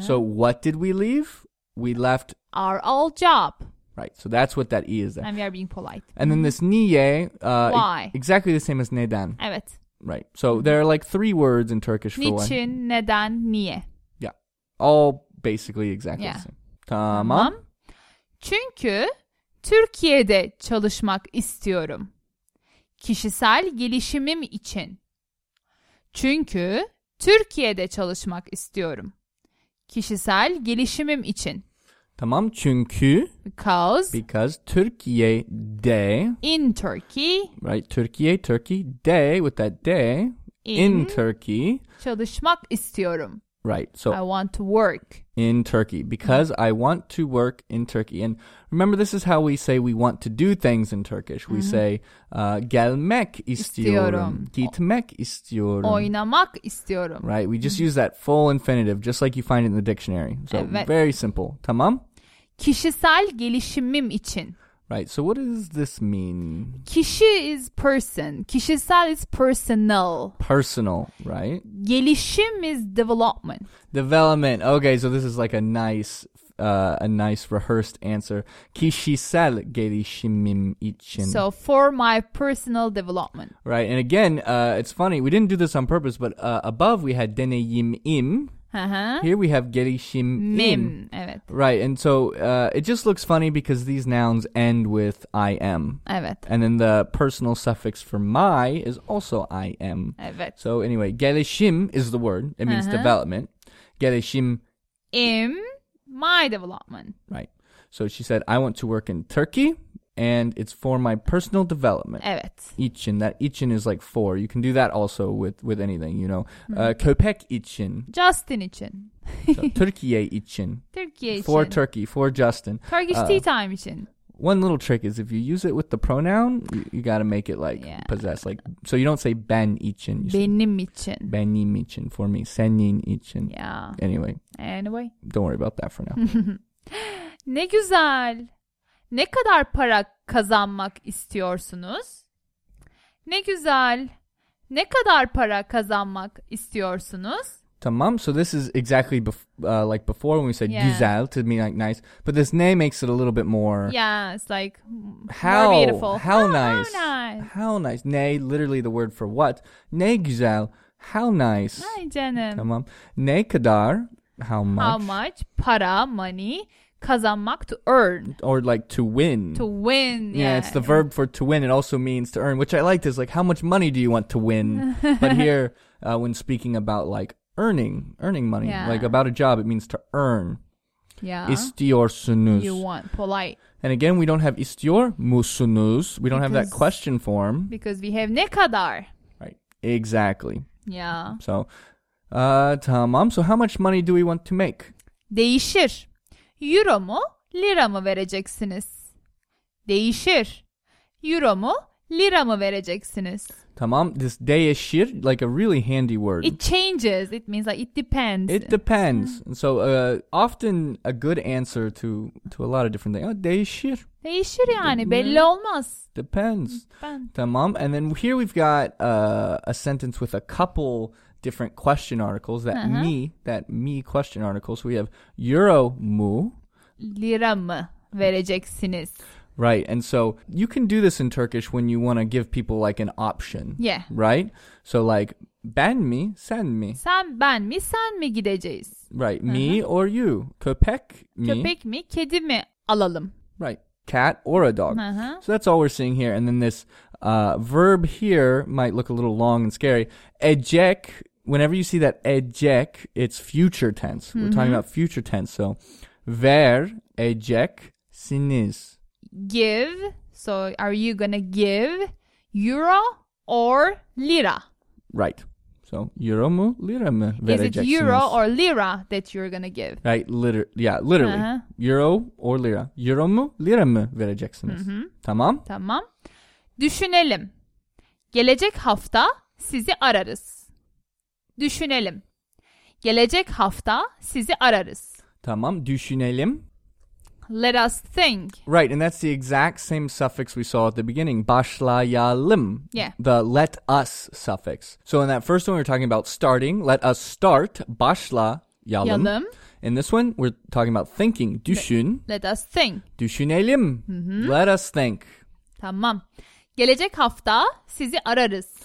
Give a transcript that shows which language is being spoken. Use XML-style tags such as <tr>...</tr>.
<en>So what did we leave? We left our old job. Right, so that's what that e is there. And we are being polite. And then this niye. Why? Exactly the same as neden.</en> <tr>Evet.</tr> <en>Right. So there are like 3 words in Turkish for</en> <tr>niçin,</tr> <en>one.</en> <tr>Neden, niye.</tr> <en>Yeah. All basically exactly the same.</en> <tr>Tamam. Çünkü Türkiye'de çalışmak istiyorum. Kişisel gelişimim için. Çünkü Türkiye'de çalışmak istiyorum. Kişisel gelişimim için. Tamam. Çünkü.</tr> <en>Because</en> <tr>Türkiye'de.</tr> <en>In Turkey. Right. Türkiye, Turkey. De, with that de. In Turkey.</en> <tr>Çalışmak istiyorum.</tr> <en>Right. So. I want to work. In Turkey. Because I want to work in Turkey. And remember, this is how we say we want to do things in Turkish. We say,</en> <tr>gelmek istiyorum. Gitmek istiyorum. Oynamak istiyorum.</tr> <en>Right. We just use that full infinitive, just like you find it in the dictionary. So,</en> <tr>evet.</tr> <en>Very simple. Tamam?</en> <tr>Kişisel gelişimim için.</tr> <en>Right. So, what does this mean? Kişi is person. Kişisel is personal. Personal, right? Gelişim is development. Development. Okay. So, this is like a nice rehearsed answer.</en> <tr>Kişisel gelişimim için.</tr> <en>So, for my personal development. Right. And again, it's funny. We didn't do this on purpose, but above we had deneyimim. Uh-huh. Here we have gelişim.</en> <tr>Mim, evet.</tr> <en>Right, and so it just looks funny because these nouns end with im.</en> <tr>Evet.</tr> <en>And then the personal suffix for my is also im.</en> <tr>Evet.</tr> <en>So anyway, gelişim is the word. It means uh-huh. development. Gelişim. Im, my development. Right. So she said, I want to work in Turkey. And it's for my personal development.</en> <tr>Evet.</tr> <en>İçin. That için is like for. You can do that also with anything, you know.</en> <tr>Hmm. Köpek için. Justin için. So, Türkiye için. Türkiye için.</tr> <en>For Turkey. For Justin. Turkish tea time için. One little trick is if you use it with the pronoun, you got to make it like yeah. possess. Like, so you don't say ben için.</en> <tr>Benim için. Benim için</tr> <en>for me.</en> <tr>Senin için.</tr> <en>Yeah. Anyway. Anyway. Don't worry about that for now.</en> <tr>Ne güzel. Ne kadar para kazanmak istiyorsunuz? Ne güzel. Ne kadar para kazanmak istiyorsunuz? Tamam.</tr> <en>So this is exactly like before when we said yeah. güzel to mean like nice. But this ne makes it a little bit more. Yeah, it's like how, more beautiful. How nice. How nice. Ne, literally the word for what.</en> <tr>Ne güzel.</tr> <en>How nice.</en> <tr>Ay canım. Tamam. Ne kadar.</tr> <en>How much. How much. Para, money. Kazanmak, to earn. Or like to win. To win, yeah. Yeah, it's the verb for to win. It also means to earn, which I liked. It's like, how much money do you want to win? But here, when speaking about like earning money, yeah. like about a job, it means to earn. Yeah.</en> <tr>İstiyorsunuz.</tr> <en>You want, polite. And again, we don't have istiyor musunuz. We don't because, have that question form. Because we have ne kadar. Right, exactly. Yeah. So, tamam. So how much money do we want to make?</en> <tr>Değişir. Euro mu, lira mı vereceksiniz? Değişir. Euro mu, lira mı vereceksiniz?</tr> <en>Tamam, this değişir, like a really handy word. It changes, it means like it depends. It depends. And so often a good answer to a lot of different things.</en> <tr>Değişir. Değişir yani, belli olmaz.</tr> <en>Depends. Tamam, and then here we've got a sentence with a couple different question articles that uh-huh. me question articles. So we have</en> <tr>euro mu, lira mı vereceksiniz.</tr> <en>Right, and so you can do this in Turkish when you want to give people like an option. Yeah. Right. So like</en> <tr>ben mi, sen mi. Sen ben mi, sen mi gideceğiz.</tr> <en>Right. Uh-huh. Me or you. Köpek mi.</en> <tr>Köpek mi, kedi mi alalım.</tr> <en>Right. Cat or a dog. Uh-huh. So that's all we're seeing here. And then this verb here might look a little long and scary. Ejek. Whenever you see that ejek, it's future tense. Mm-hmm. We're talking about future tense.</en> <tr>So, ver ejeksiniz.</tr> <en>Give. So, are you going to give euro or lira? Right.</en> <tr>So, euro mu lira mu vereceksiniz.</tr> <en>Is it euro or lira that you're going to give? Right. Literally. Uh-huh. Euro or lira.</en> <tr>Euro mu lira mu vereceksiniz. Mm-hmm. Tamam. Tamam. Düşünelim. Gelecek hafta sizi ararız. Düşünelim. Gelecek hafta sizi ararız. Tamam, düşünelim.</tr> <en>Let us think. Right, and that's the exact same suffix we saw at the beginning.</en> <tr>Başlayalım.</tr> <en>Yeah. The let us suffix. So in that first one, we're talking about starting. Let us start. Başlayalım.</en> <tr>Yalım.</tr> <en>In this one, we're talking about thinking.</en> <tr>Düşün.</tr> <en>Let us think.</en> <tr>Düşünelim.</tr> <en>Mm-hmm. Let us think.</en> <tr>Tamam. Gelecek hafta sizi ararız.</tr>